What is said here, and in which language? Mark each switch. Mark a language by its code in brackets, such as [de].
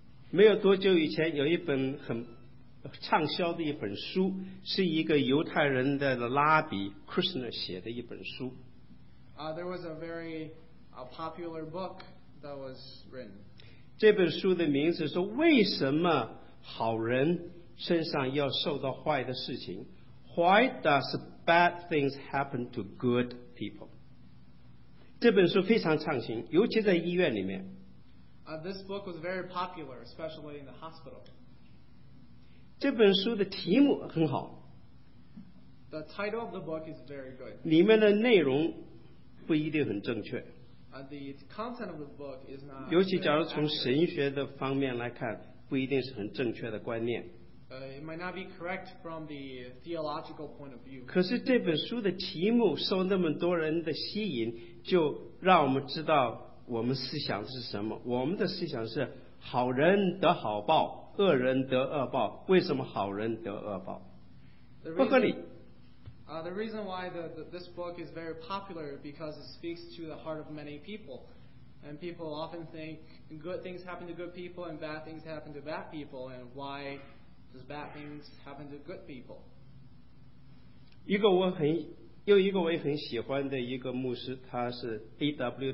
[zh] 没有多久以前，有一本很畅销的一本书，是一个犹太人的拉比 Krishna 写的一本书。 [en] There was a very popular book that was written. [zh] 这本书的名字是为什么好人身上要受到坏的事情？ [en] Why does bad things happen to good people? [zh] 这本书非常畅行，尤其在医院里面。 [en] This book was very popular, especially in the hospital. [zh] 这本书的题目很好。 [en] The title of the book is very good. [zh] 里面的内容不一定很正确。 [en] The content of the book is not. [zh] 尤其假如从神学的方面来看，不一定是很正确的观念。 [en] It might not be correct from the theological point of view. [zh] 可是这本书的题目受那么多人的吸引，就让我们知道我们思想是什么。我们的思想是好人得好报，恶人得恶报。为什么好人得恶报？ [en] Reason, [zh] 不合理。 [en] The reason why this book is very popular is because it speaks to the heart of many people. And people often think good things happen to good people and bad things happen to bad people. And why does bad things happen to good people? [zh] 一个我很有一个我也很喜欢的一个牧师，他是 A.W.